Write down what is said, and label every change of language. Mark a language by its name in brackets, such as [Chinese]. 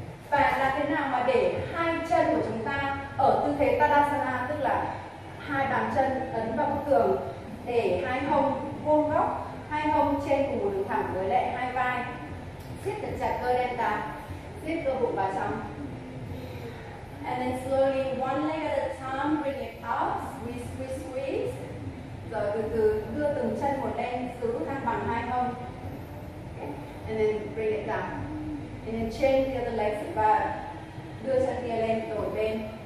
[Vietnamese] Và làm thế nào mà để hai chân của chúng ta ở tư thế Tadasana, tức là hai bàn chân ấn vào bức tường, để hai hông vuông góc, hai hông trên cùng một đường thẳng với lại hai vai, siết thật chặt cơ delta, siết cơ bụng vào trong. [English] And then slowly, one leg at a time, bring it up, squeeze, squeeze, squeeze. [Vietnamese] Rồi từ từ đưa từng chân một lên, giữ thăng bằng hai hông. [English] Okay. And then bring it down. And then change the other legs [Vietnamese] và đưa chân kia lên, đổi bên.